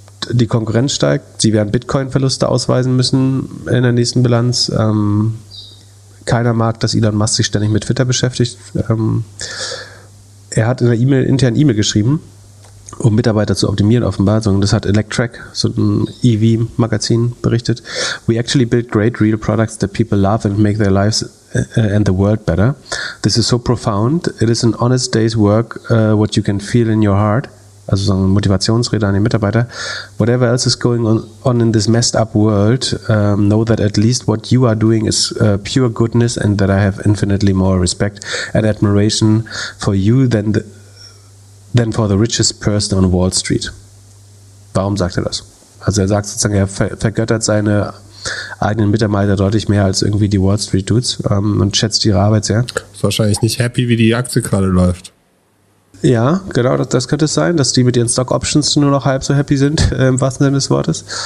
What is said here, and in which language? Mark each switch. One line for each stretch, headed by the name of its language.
German: Die Konkurrenz steigt, sie werden Bitcoin-Verluste ausweisen müssen in der nächsten Bilanz. Keiner mag, dass Elon Musk sich ständig mit Twitter beschäftigt. Er hat in einer internen E-Mail geschrieben, um Mitarbeiter zu optimieren, offenbar. Das hat Electrek, so ein EV-Magazin, berichtet.
English: We actually build great real products that people love and make their lives and the world better. This is so profound. It is an honest day's work, what you can feel in your heart.
German: Also so ein Motivationsrede an die Mitarbeiter.
English: Whatever else is going on in this messed up world, know that at least what you are doing is pure goodness and that I have infinitely more respect and admiration for you than for the richest person on Wall Street.
German: Warum sagt er das? Also er sagt sozusagen, er vergöttert seine eigenen Mitarbeiter deutlich mehr als irgendwie die Wall Street Dudes und schätzt ihre Arbeit sehr. Ist wahrscheinlich nicht happy, wie die Aktie gerade läuft. Ja, genau, das könnte es sein, dass die mit ihren Stock Options nur noch halb so happy sind, im wahrsten Sinne des Wortes.